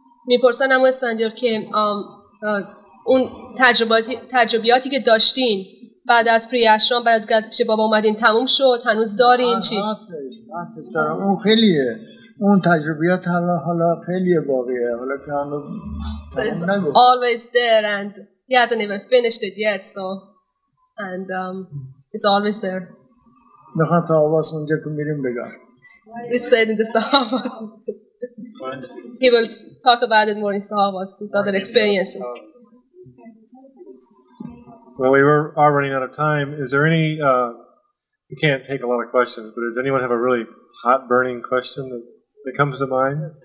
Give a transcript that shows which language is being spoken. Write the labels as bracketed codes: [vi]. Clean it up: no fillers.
[fa] میپرسنم اسفندیار که اون تجربیاتی که داشتین بعد از پریاشرام بعد از گذشت بابا اومدین تموم شد هنوز دارین چی؟ آره، اون خیلیه. اون تجربیات حالا خیلی باقیه حالا که هنوز [en] always there and he hasn't even finished it yet so and it's always there. [fa] میخوام تا آواز اونجا که میریم بگم. [en] We stayed in the Sahabas. He will talk about it more in Sahabas. His other experiences. Well, we are running out of time. Is there any? We can't take a lot of questions, but does anyone have a really hot burning question that it comes to mind?